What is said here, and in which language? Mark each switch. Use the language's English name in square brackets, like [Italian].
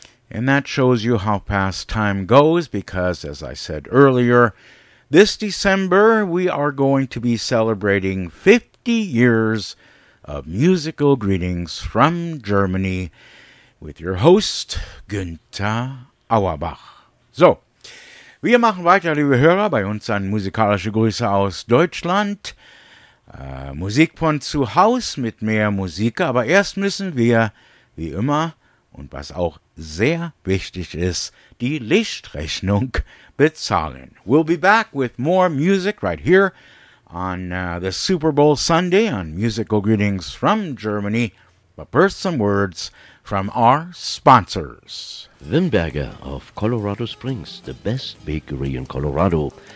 [English] And that shows you how fast time goes, because as I said earlier, this December we are going to be celebrating 50 years of musical greetings from Germany with your host, Günther Auerbach. [German] So, wir machen weiter, liebe Hörer, bei uns an musikalische Grüße aus Deutschland. Musikpunkt zu Haus mit mehr Musik, aber erst müssen wir, wie immer, und was auch sehr wichtig ist, die Lichtrechnung bezahlen. [English] We'll be back with more music right here on the Super Bowl Sunday on Musical Greetings from Germany. But first, some words from our sponsors. Wimberger of Colorado Springs, the best bakery in Colorado.